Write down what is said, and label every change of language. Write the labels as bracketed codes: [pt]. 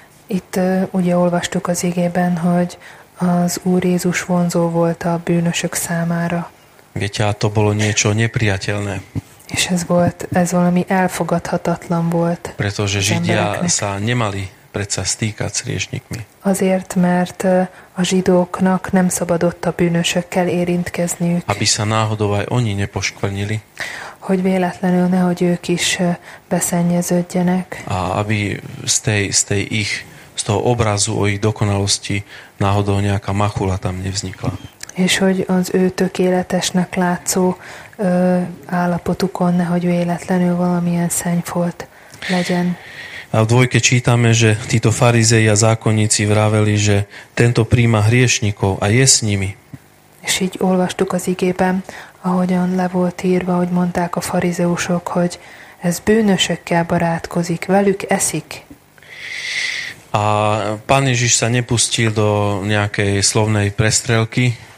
[hu] Itt ugye olvastuk az igében, hogy az Úr Jézus vonzó volt a bűnösök számára. [sk] Viete, to bolo niečo nepriateľné. [hu] És ez valami elfogadhatatlan volt. [sk] Pretože Židia sa nemali predsa stýkať s hriešnikmi. [hu] Azért, mert a zsidóknak nem szabadott a bűnösökkel érintkezniük. [sk] Aby sa náhodou aj oni nepoškvrnili. [hu] Hogy véletlenül nehogy ők is beszennyeződjenek. [sk] A aby z tej ich, z toho obrazu o ich dokonalosti náhodou nejaká machula tam nevznikla. [hu] És hogy az ő tökéletesnek látszó állapotukon nehogy véletlenül valamilyen szennyfolt legyen. [sk] A v dvojke čítame, že títo farizei a zákonníci vraveli, že tento príjma hriešnikov a je s nimi. [hu] És így olvastuk az igében, ahogyan le volt írva, hogy mondták a farizeusok, hogy ez bűnösökkel barátkozik, velük eszik. [sk] A Pán Ježiš sa nepustil do nejakej slovnej prestrelky.